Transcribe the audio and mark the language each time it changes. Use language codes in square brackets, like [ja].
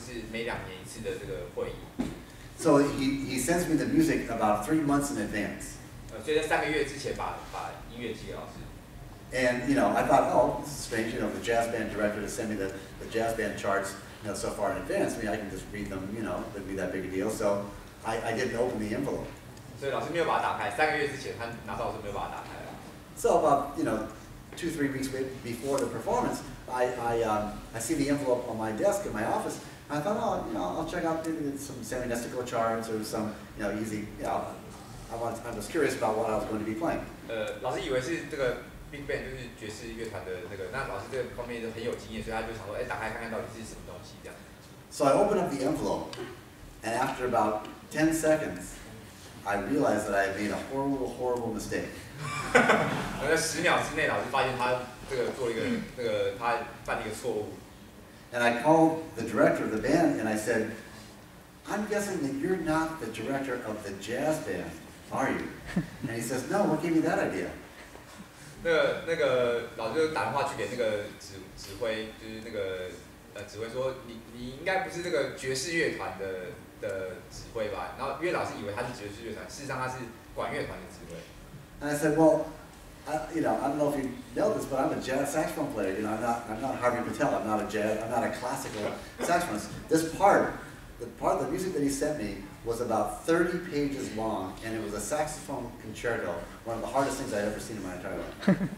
[zh] 在之前呢，也是同样的乐团也邀请老师去那边演奏，就是写古典的乐曲。那这是每两年一次的这个会议。 [en] So he sends me the music about 3 months in advance. [zh] 所以在3个月之前把音乐寄给老师。 [en] And you know, I thought, oh, this is strange. You know, the jazz band director to send me the jazz band charts, you know, so far in advance. I mean, I can just read them. You know, it wouldn't be that big a deal. So I didn't open the envelope. [zh] 所以老师没有把它打开。3个月之前，他拿到的时候没有把它打开。 [en] So about two, three weeks before the performance, I see the envelope on my desk in my office. I thought, I'll check out some semi-nestico charts or some, easy. I was curious about what I was going to be playing. [zh] 老师以为是这个 Big Band 就是爵士乐团的那个，那老师这方面很有经验，所以他就想说，哎，打开看看到底是什么东西这样。 [en] So I open up the envelope, and after about 10 seconds, I realize that I have made a horrible, horrible mistake. [zh] 在十秒之内，老师发现他这个做了一个那个他犯了一个错误。 [en] And I called the director of the band, and I said, "I'm guessing that you're not the director of the jazz band, are you?" And he says, "No. What gave you that idea?" [zh] 那个老师就打电话去给那个指挥，就是那个指挥说，你应该不是这个爵士乐团的指挥吧？然后因为老师以为他是爵士乐团，事实上他是管乐团的指挥。 [en] And I said, "Well." I don't know if you know this, but I'm a jazz saxophone player. You know, I'm not Harvey Patel. I'm not a classical saxophonist. This part, the part of the music that he sent me was about 30 pages long, and it was a saxophone concerto, one of the hardest things I'd ever seen in my entire life.